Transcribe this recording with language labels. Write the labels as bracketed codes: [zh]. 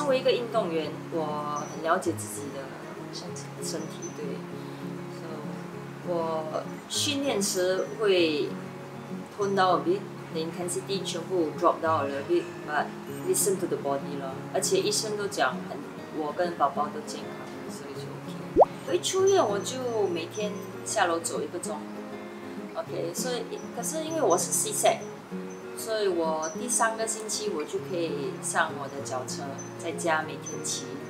[zh] 运动员，我很了解自己的身体，对。我训练时会 [en] tone down a bit， the intensity [zh] 全部 [en] drop down a little bit， but listen to the body [zh] 咯。而且医生都讲很，我跟宝宝都健康，所以就 OK。我一出院我就每天下楼走一个钟 ，OK。所以可是因为我是 C-section， 所以我第三个星期我就可以上我的脚车，在家每天骑。